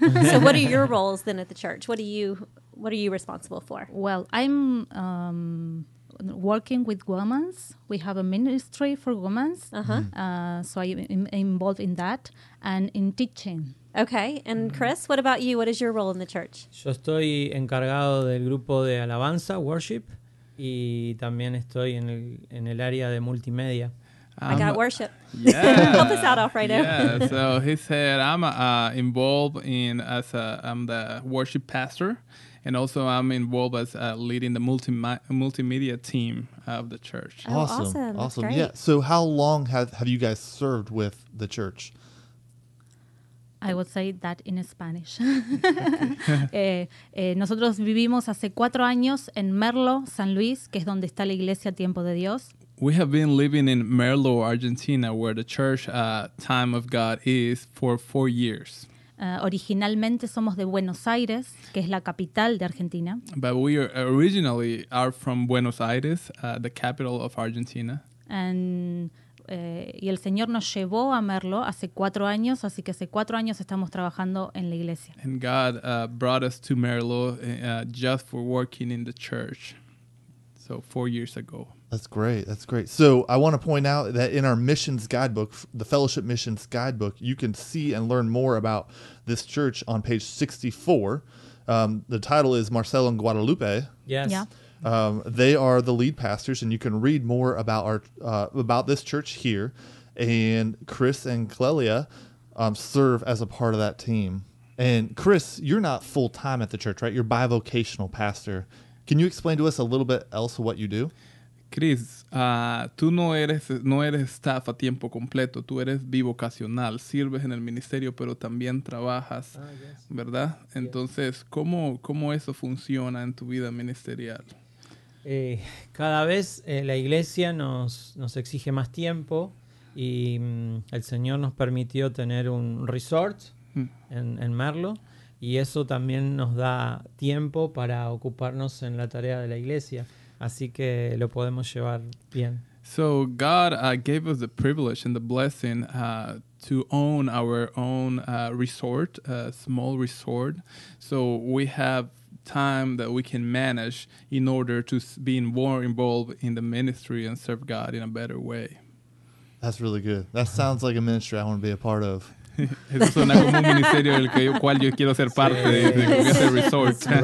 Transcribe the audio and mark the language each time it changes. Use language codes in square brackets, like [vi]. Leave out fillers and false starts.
[en] So what are your roles then at the church? What are you responsible for? Well, I'm working with women. We have a ministry for women. So I'm involved in that and in teaching. Okay. And Chris, what about you? What is your role in the church? [es] Yo estoy encargado del grupo de alabanza, worship, y también estoy en el área de multimedia. [en] I got worship. Yeah. Help us out, Alfredo. Yeah, so he said I'm involved in as a, I'm the worship pastor. And also, I'm involved as leading the multimedia team of the church. Oh, awesome. That's awesome. Great. Yeah. So, how long have you guys served with the church? I would say that in Spanish. [es] nosotros vivimos hace 4 años en Merlo, San Luis, que es donde está la iglesia Tiempo de Dios. [en] We have been living in Merlo, Argentina, where the church Time of God is for 4 years. [es] Originalmente somos de Buenos Aires, que es la capital de Argentina. [en] But we originally are from Buenos Aires, the capital of Argentina. [es] Y el Señor nos llevó a Merlo hace 4 años, así que hace 4 años estamos trabajando en la iglesia. [en] And God brought us to Merlo just for working in the church, so 4 years ago. That's great. That's great. So I want to point out that in our missions guidebook, the Fellowship Missions Guidebook, you can see and learn more about this church on page 64. The title is Marcelo and Guadalupe. Yes. Yeah. They are the lead pastors, and you can read more about our about this church here. And Chris and Clelia serve as a part of that team. And Chris, you're not full-time at the church, right? You're bivocational pastor. Can you explain to us a little bit else what you do? [es] Chris, tú no eres staff a tiempo completo, tú eres bivocacional, sirves en el ministerio, pero también trabajas, ¿verdad? Entonces, ¿cómo eso funciona en tu vida ministerial? Cada vez la iglesia nos exige más tiempo y el Señor nos permitió tener un resort en Merlo, y eso también nos da tiempo para ocuparnos en la tarea de la iglesia. Así que lo podemos llevar bien. [en] So God gave us the privilege and the blessing to own our own resort, a small resort. So we have time that we can manage in order to be more involved in the ministry and serve God in a better way. That's really good. That sounds like a ministry I want to be a part of. [es] Eso suena como un ministerio del cual yo quiero ser parte, de ese resort.